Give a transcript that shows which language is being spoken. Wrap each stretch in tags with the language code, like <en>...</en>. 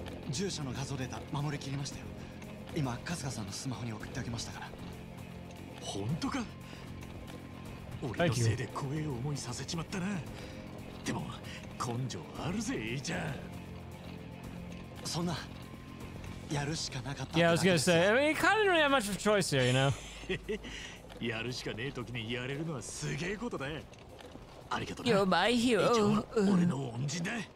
<ja>住所の画像データ守りきりましたよ。今、春日さんのスマホに送ってあげましたから。本当か？俺のせいで怖い思いさせちまったな。でも、根性あるぜ、エイちゃん。そんな、やるしかなかった。</ja> <en>Yeah, I was gonna say, I mean, you kind of don't have much of a choice here, you know?</en> <ja>やるしかねえ時にやれるのはすげえことだ。ありがとう</ja> <en>な。You're my hero. エイちゃん</en> <ja>は俺の恩人だ。</ja>